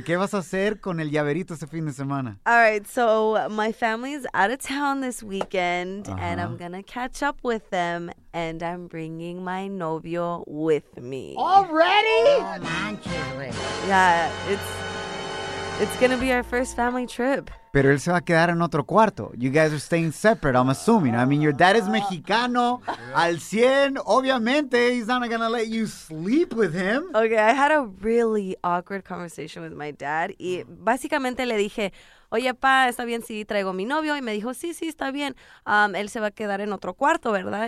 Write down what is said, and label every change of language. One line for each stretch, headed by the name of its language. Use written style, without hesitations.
Spanish: ¿Qué vas a hacer con el llaverito este fin de semana?
English: All right, so my family is out of town this weekend, and I'm going to catch up with them, and I'm bringing my novio with me. Already?
Spanish: Oh, manches, güey.
English: Yeah, it's going to be our first family trip.
Spanish: Pero él se va a quedar en otro cuarto.
English: You guys are staying separate, I'm assuming. I mean, your dad is Mexicano.
Spanish: Al 100, obviamente,
English: he's not going to let you sleep with him. Okay, I had a really awkward conversation with my dad.
Spanish: Y básicamente le dije, oye, pa, ¿está bien si traigo a mi novio? Y me dijo, sí, sí, está bien. Él se va a quedar en otro cuarto, ¿verdad?